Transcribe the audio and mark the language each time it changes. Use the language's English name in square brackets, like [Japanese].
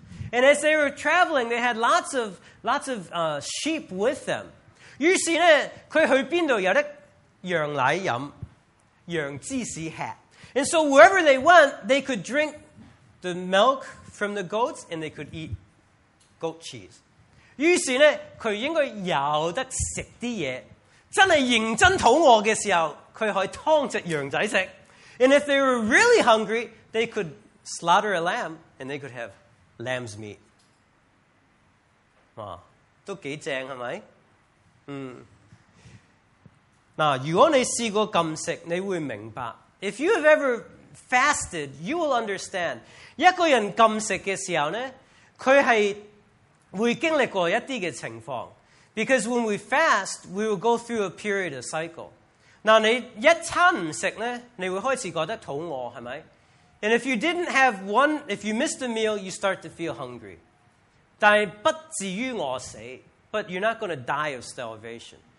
[English] And as they were traveling, they had lots of sheep with them. [Cantonese] 于是咧，佢去边度有得羊奶饮、羊芝士吃. [English] And so wherever they went, they could drink the milk from the goats, and they could eat goat cheese. [Cantonese] 於是呢，佢應該有得食啲嘢。真係認真肚餓嘅時候，佢可以劏隻羊仔食。 [English] And if they were really hungry, they could slaughter a lamb and they could have lamb's meat. [Cantonese] 哇，都幾正係咪？嗯。如果你試過禁食，你會明白。 [English] If you have ever fasted, you will understand. [Cantonese] 一個人禁食嘅時候呢，佢係會經歷過一啲嘅情況。 [English] Because when we fast, we will go through a period of cycle. [Cantonese] 你一餐唔食呢，你會開始覺得肚餓，係咪？ [English] And if you didn't have one, if you missed a meal, you start to feel hungry. [Cantonese] 但不至於餓死， [English] but you're not going to die of starvation.